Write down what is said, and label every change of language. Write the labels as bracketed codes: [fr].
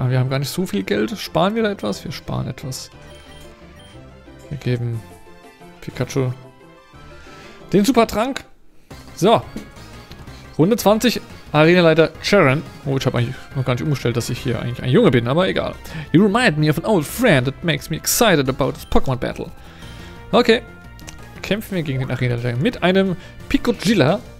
[de] Aber wir haben gar nicht so viel Geld. Sparen wir da etwas? Wir sparen etwas. Wir geben Pikachu den Supertrank. So. Runde 20. Arenaleiter Charon. Oh, ich habe eigentlich noch gar nicht umgestellt, dass ich hier eigentlich ein Junge bin. Aber egal. [en] You remind me of an old friend that makes me excited about this Pokémon Battle. Okay. [de] Kämpfen wir gegen den Arena-Leiter mit einem Pikachu-Gilla.